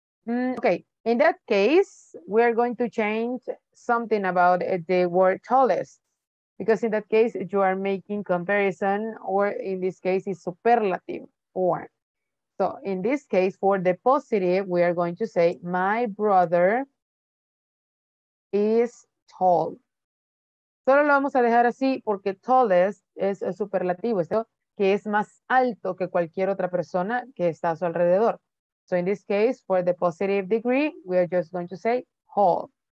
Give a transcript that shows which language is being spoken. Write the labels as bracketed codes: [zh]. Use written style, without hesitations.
[en] Okay, in that case, we are going to change something about the word tallest, because in that case, you are making comparison, or in this case, it's superlative form. So in this case, for the positive, we are going to say, my brother is tall. [es] Solo lo vamos a dejar así, porque tallest es superlativo, ¿sí? Que es más alto que cualquier otra persona que está a su alrededor. [en] So in this case, for the positive degree, we are just going to say tall.